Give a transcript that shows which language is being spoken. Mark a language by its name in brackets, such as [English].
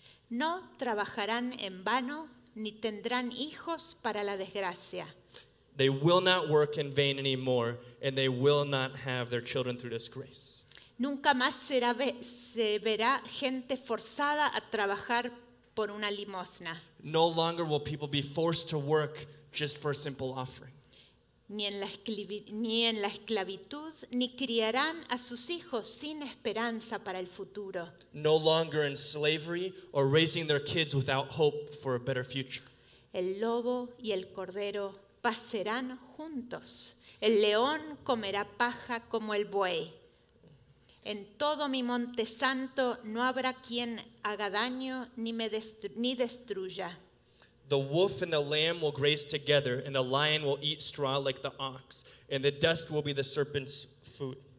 [Spanish] No trabajarán en vano ni tendrán hijos para la desgracia. [English] They will not work in vain anymore, and they will not have their children through disgrace. [Spanish] Nunca más se verá gente forzada a trabajar por una limosna. [English] No longer will people be forced to work just for a simple offering. [Spanish] Ni en la esclavitud ni criarán a sus hijos sin esperanza para el futuro. [English] No longer in slavery or raising their kids without hope for a better future. [Spanish] El lobo y el cordero pasarán juntos. El león comerá paja como el buey. En todo mi monte santo no habrá quien haga daño ni destruya. [English] The wolf and the lamb will graze together, and the lion will eat straw like the ox, and the dust will be the serpent's food.